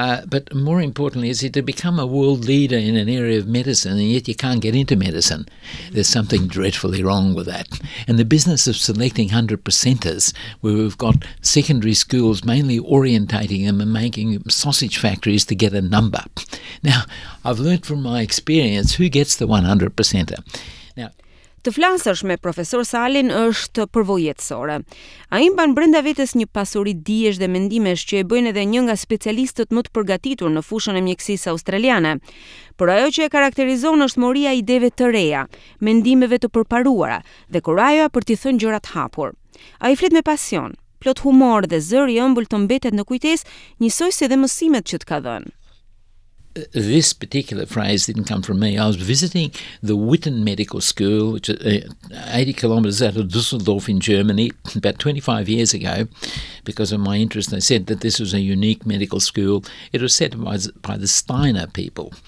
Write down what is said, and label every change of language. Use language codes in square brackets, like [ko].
[en] But more importantly is that to become a world leader in an area of medicine and yet you can't get into medicine, there's something dreadfully wrong with that. And the business of selecting 100 percenters, where we've got secondary schools mainly orientating them and making sausage factories to get a number. Now, I've learned from my experience, who gets the 100 percenter? [sq] Të flasësh me profesor Salin është përvojësore. Ai mban brenda vetes një pasuri diesh dhe mendimesh që e bëjnë edhe një nga specialistët më të përgatitur në fushën e mjekësisë australiane. Por ajo që e karakterizon është moria ideve të reja, mendimeve të përparuara dhe kurajoja për t'i thënë gjërat hapur. Ai flet me pasion, plot humor dhe zëri ëmbël të mbetet në kujtesë, njësoj si dhe mësimet që t'ka dhënë. [en] This particular phrase didn't come from me. I was visiting the Witten Medical School, which is 80 kilometres out of Düsseldorf in Germany, about 25 years ago, because of my interest. They said that this was a unique medical school. It was set by the Steiner people.